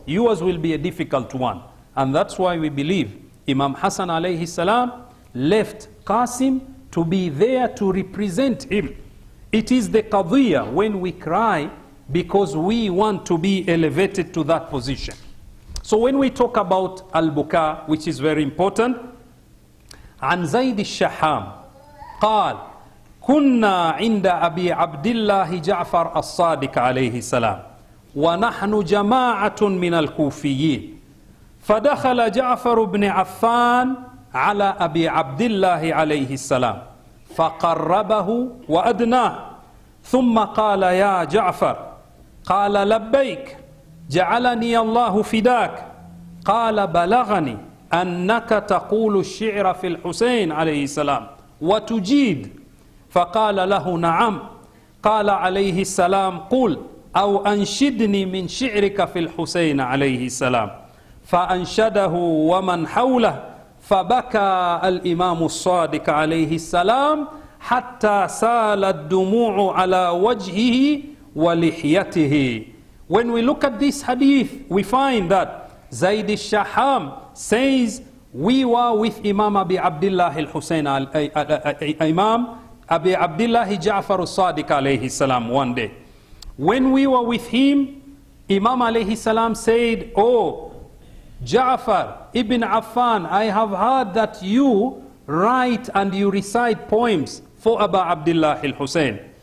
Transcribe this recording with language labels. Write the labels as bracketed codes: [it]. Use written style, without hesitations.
[en] Yours will be a difficult one. And that's why we believe Imam Hassan alayhi salam left Qasim to be there to represent him. It is the qadiya when we cry because we want to be elevated to that position. So when we talk about al-buka, which is very important, [ar] عن زيد الشحام قال كنا عند أبي عبد الله جعفر الصادق عليه السلام ونحن جماعة من الكوفيين فدخل جعفر بن عفان على أبي عبد الله عليه السلام فقربه وأدناه ثم قال يا جعفر قال لبيك جعلني الله فداك قال بلغني أنك تقول الشعر في الحسين عليه السلام وتجيد فقال له نعم قال عليه السلام قل أو أنشدني من شعرك في الحسين عليه السلام فأنشده ومن حوله فبكى الإمام الصادق عليه السلام حتى سال الدموع على وجهه ولحيته. [en] When we look at this hadith, we find that Zayd al-Shaham says, we were with Imam Abi Abdullah al-Husayn, Imam Abi Abdullah Ja'far al-Sadiq alayhi salam one day. When we were with him, Imam alayhi salam said, oh, Ja'far ibn Affan, I have heard that you write and you recite poems for Abu Abdullah al-Husayn.